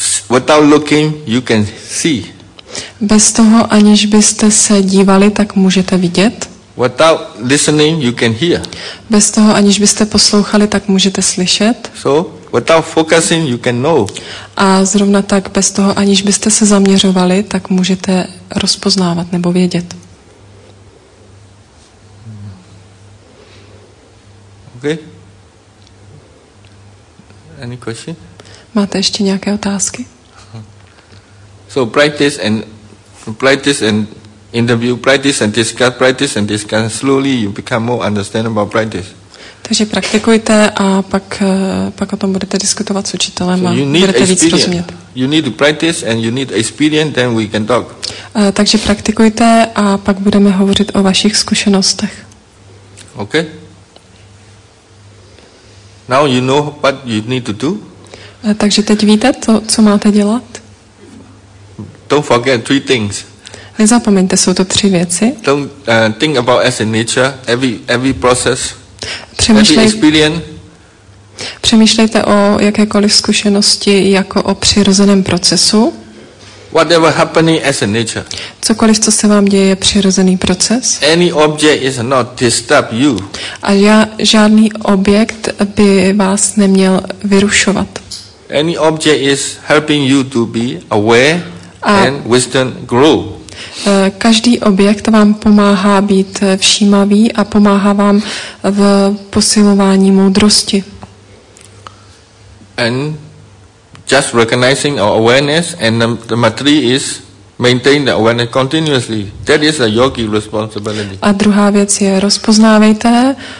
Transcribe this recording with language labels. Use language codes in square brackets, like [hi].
[en] Without looking, you can see. [cs] Bez toho, aniž byste se dívali, tak můžete vidět. [en] Without listening, you can hear. [cs] Bez toho, aniž byste poslouchali, tak můžete slyšet. [en] So, without focusing, you can know. [cs] A zrovna tak, bez toho, aniž byste se zaměřovali, tak můžete rozpoznávat nebo vědět. [en] Okay. Any question? [cs] Máte ještě nějaké otázky? [en] So, practice and interview, practice and discuss, slowly you become more understandable about practice. [cs] Takže praktikujte a pak o tom budete diskutovat s učitelem a budete víc rozumět. [en] You need to practice and you need experience, then we can talk. [cs] Takže praktikujte a pak budeme hovořit o vašich zkušenostech. [en] Okay. Now you know what you need to do. [cs] Takže teď víte, co máte dělat. [en] Don't forget three things. [cs] Nezapomeňte, jsou to tři věci. [en] Think about as in nature, every process, every experience. [cs] Přemýšlejte o jakékoliv zkušenosti jako o přirozeném procesu. [en] Whatever happening as in nature. [cs] Cokoliv, co se vám děje, je přirozený proces. [en] Any object is not disturb you. [cs] A žádný objekt by vás neměl vyrušovat. [en] Any object is helping you to be aware and wisdom grow. [cs] Každý objekt vám pomáhá být všímavý a pomáhá vám v posilování moudrosti. [en] And just recognizing our awareness and the material is maintain the awareness continuously. That is a yogi responsibility. [cs] A druhá věc je rozpoznávejte.